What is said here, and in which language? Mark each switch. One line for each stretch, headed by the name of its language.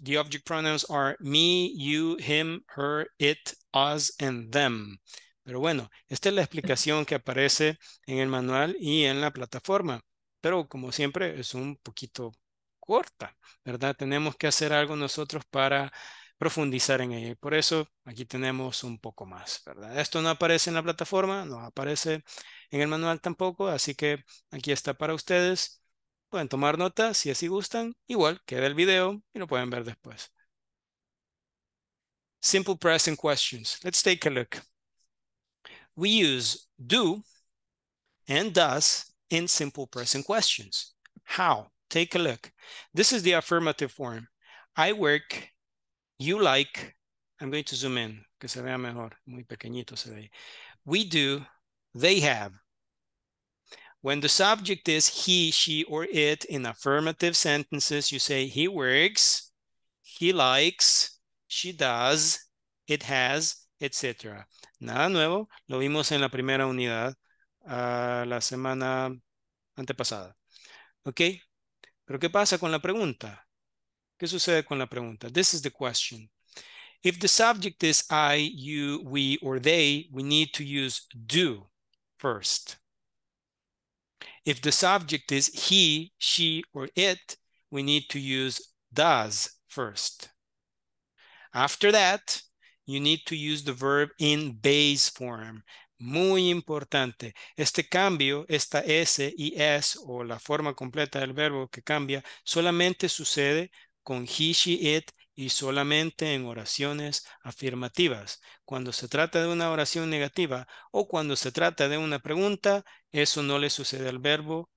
English: The object pronouns are me, you, him, her, it, us, and them.
Spanish: Pero bueno, esta es la explicación que aparece en el manual y en la plataforma. Pero como siempre, es un poquito corta, ¿verdad? Tenemos que hacer algo nosotros para profundizar en ella. Por eso, aquí tenemos un poco más, ¿verdad? Esto no aparece en la plataforma, no aparece en el manual tampoco. Así que aquí está para ustedes. Pueden tomar nota si así gustan. Igual queda el video y lo pueden ver después.
English: Simple present questions. Let's take a look. We use do and does in simple present questions. How? Take a look. This is the affirmative form. I work, you like, I'm going to zoom in,
Spanish: que se vea mejor, muy pequeñito se ve.
English: We do, they have. When the subject is he, she, or it in affirmative sentences, you say he works, he likes, she does, it has, etc.
Spanish: Nada nuevo, lo vimos en la primera unidad la semana antepasada. Ok, pero ¿qué pasa con la pregunta? ¿Qué sucede con la pregunta?
English: This is the question. If the subject is I, you, we, or they, we need to use do first. If the subject is he, she, or it, we need to use does first. After that, you need to use the verb in base form.
Spanish: Muy importante. Este cambio, esta S y S, o la forma completa del verbo que cambia, solamente sucede con he, she, it, y solamente en oraciones afirmativas. Cuando se trata de una oración negativa o cuando se trata de una pregunta, eso no le sucede al verbo.